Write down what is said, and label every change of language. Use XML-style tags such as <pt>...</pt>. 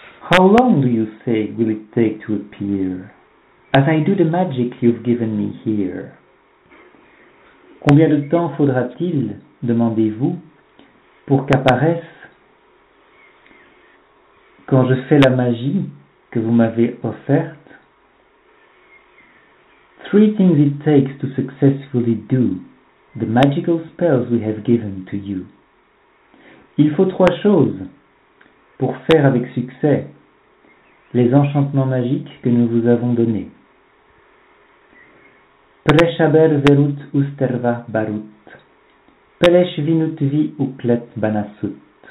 <en>How long do you say will it take to appear? As I do the magic you've given me here.</en> <fr>Combien de temps faudra-t-il, demandez-vous, pour qu'apparaisse quand je fais la magie que vous m'avez offerte?</fr> <en>Three things it takes to successfully do the magical spells we have given to you.</en> <fr>Il faut trois choses pour faire avec succès les enchantements magiques que nous vous avons donnés. Preshaber verut usterva barut. Pelesh vinut vi uklet banasut.</fr>